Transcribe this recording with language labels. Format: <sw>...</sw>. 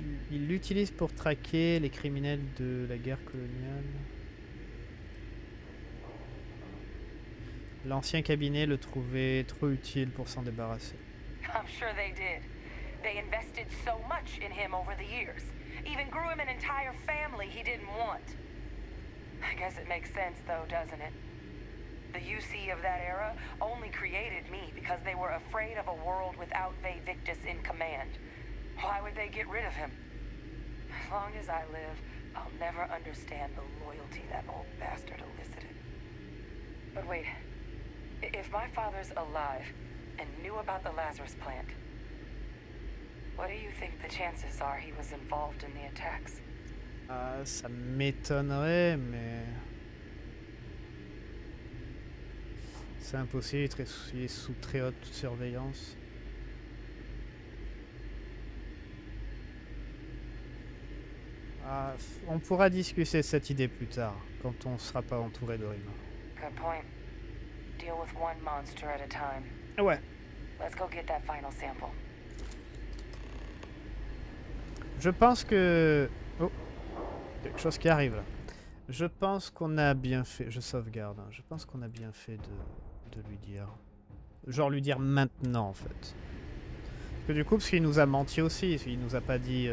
<fr>Il l'utilise pour traquer les criminels de la guerre coloniale. L'ancien cabinet le trouvait trop utile pour s'en débarrasser.</fr> <en>I'm sure they did. They invested so much in him over the years. Even grew him an entire family he didn't want. I guess it makes sense though, doesn't it? The UC of that era only created me because they were afraid of a world without Vae Victus in command. Why would they get rid of him? As long as I live, I'll never understand the loyalty that old bastard elicited. But wait. If my father's alive and knew about the Lazarus plant, what do you think the chances are he was involved in the attacks?</en> <fr>Ça m'étonnerait, mais c'est impossible. Il est sous très haute surveillance. On pourra discuter de cette idée plus tard, quand on sera pas entouré d'Orima.</fr> <en>Good point. Deal with one monster at a time.</en> <fr>Ouais.</fr> <en>Let's go get that final sample.</en> <fr>Je pense que... Oh, quelque chose qui arrive là. Je pense qu'on a bien fait... Je sauvegarde. Hein. Je pense qu'on a bien fait de lui dire... Genre lui dire maintenant, en fait. Parce que du coup, parce qu'il nous a menti aussi. Il nous a pas dit...</fr>